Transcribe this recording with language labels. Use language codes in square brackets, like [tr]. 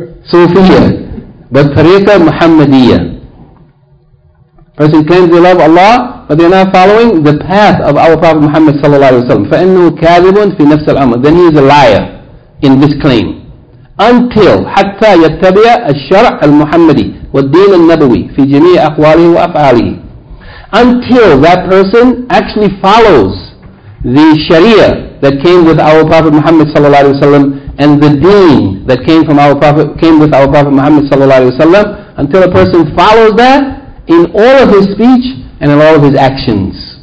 [en] Sufiya, but tariqa Muhammadiyya. Person claims they love Allah but they are not following the path of our Prophet Muhammad sallallahu alayhi wa sallam. [ar] فَإِنُّهُ كَاذِبٌ فِي نَفْسَ الْأَمْرِ. [en] Then he is a liar in this claim. [ar] Until حتى يتبع الشرع المحمدي والدين النبوي في جميع أقواله وأفعاله. [en] Until that person actually follows the Sharia that came with our Prophet Muhammad sallallahu alaihi wasallam and the Deen that came with our Prophet Muhammad sallallahu alaihi wasallam. Until a person follows that in all of his speech and in all of his actions.